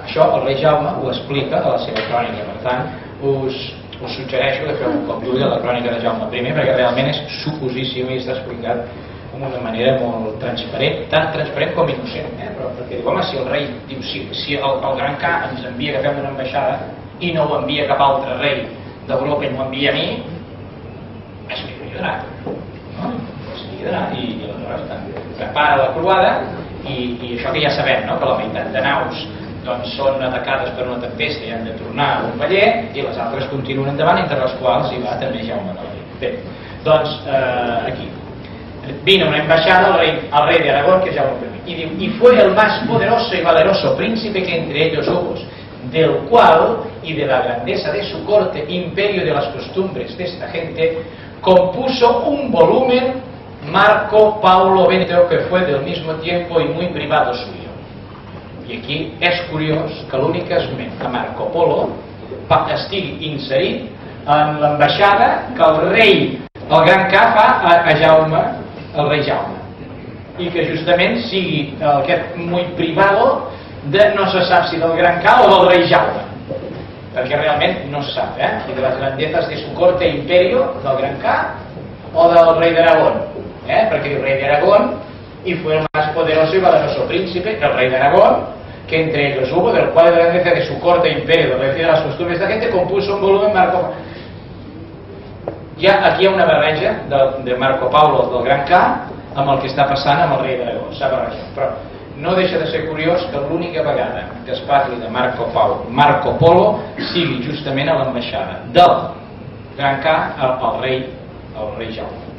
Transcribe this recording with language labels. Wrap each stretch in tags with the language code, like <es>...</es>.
<ca>Això el rei Jaume ho explica a la seva crònica, per tant, us suggereixo de fer un cop d'ull a la crònica de Jaume I, perquè realment és suposició i està explicat d'una manera molt transparent, tan transparent com innocent, però perquè diu, home, si el rei diu, si el gran K ens envia que fem una embaixada i no ho envia cap altre rei d'Europa i m'ho envia a mi, és que m'hi donarà, no? És que m'hi donarà, i aleshores prepara la croada, i això que ja sabem, no?, que la meitat de naus són atacades per una tempesta i han de tornar a un veller i les altres continuen endavant, entre les quals hi va també Jaume d'Alaric. Bé, doncs aquí.</ca> <es>Vino una embaixada al rei d'Aragón,</es> <ca>que és Jaume I, i diu,</ca> <es>i fue el más poderoso y valeroso príncipe que entre ellos hubo, del cual y de la grandeza de su corte, imperio de las costumbres de esta gente, compuso un volumen Marco Paulo Benito, que fue del mismo tiempo y muy privado suyo.</es> <ca>I aquí és curiós que l'únic esment de Marco Polo estigui inserit en l'ambaixada que el rei, el gran K, fa a Jaume, el rei Jaume. I que justament sigui aquest</ca> <es>muy privado</es> <ca>de no se sap si del gran K o del rei Jaume. Perquè realment no se sap, i de les</ca> <es>grandezas de su corte imperio</es> <ca>del gran K o del rei d'Aragón. Perquè el rei d'Aragón</ca> <es>i fue el más poderoso y valeroso príncipe, el rei d'Aragón, que entre ellos hubo, del cual la grandeza de su corte imperio, de decir, las costumbres de la gente, compuso un volumen Marco. Ya aquí hay una barreja de Marco Paulo del Gran K</es> <ca>amb el que</ca> <es>está pasando amb el rey de Aragón,</es> <ca>s'ha barrejat. Però no deixa de ser curioso que l'única vegada que es parli de Marco Paulo, Marco Polo, sigui justament a l'ambaixada del Gran K al rei Jaume.</ca>